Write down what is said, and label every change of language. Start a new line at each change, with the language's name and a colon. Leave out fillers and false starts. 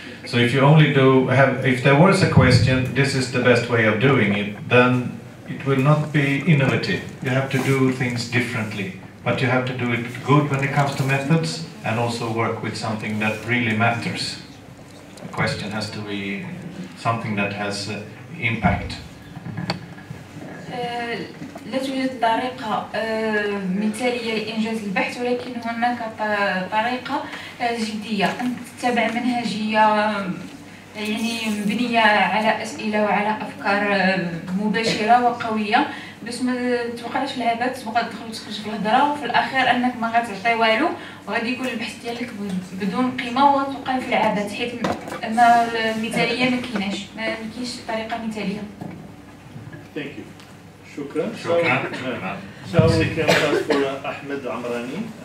English: So if you only do have, if there was a question, this is the best way of doing it, then it will not be innovative. You have to do things differently, but you have to do it good when it comes to methods and also work with something that really matters. The question has to be something that has impact.
Arabic: لا توجد طريقة مثالية لإنجاز البحث، ولكن هناك طريقة جدية أن تتبع منهجية يعني مبنية على أسئلة وعلى أفكار مباشرة وقوية باش ما توقعش في العبث وتدخل تخرج في الهضرة وفي الأخير أنك ما غتعطي والو وغادي يكون البحث ديالك بدون قيمة وتوقع في العبث حيت ما المثالية ما كايناش، ما كاينش طريقة مثالية. Thank you. شكرا. So we can pass for أحمد عمراني.